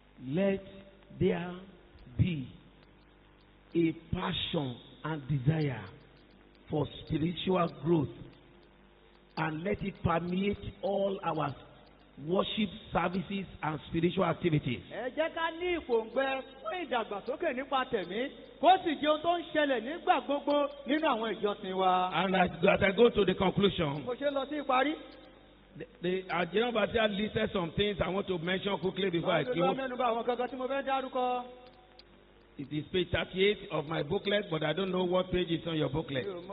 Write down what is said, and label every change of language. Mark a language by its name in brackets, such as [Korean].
[English] Let there be a passion and desire for spiritual growth, and let it permeate all our worship services and spiritual activities. [Yoruba] Ẹ jẹ́ ká ní ìpòǹgbẹ fún ìdàgbàsókè nípa tẹ̀mí, kó sì jẹ ohun tó ń ṣẹlẹ̀ nígbà gbogbo nínú àwọn ìjọsìn wa. [English] And as I go to the conclusion, [Yoruba] mo ṣe lọ sí ìparí. [English] The Adjiran Basia listed some things I want to mention quickly before I go. [Yoruba] Mo ṣe lọ mẹ́nu bá àwọn kankan tí mo fẹ́ dárúkọ. [English] It is page 38 of my booklet, but I don't know what page is on your booklet.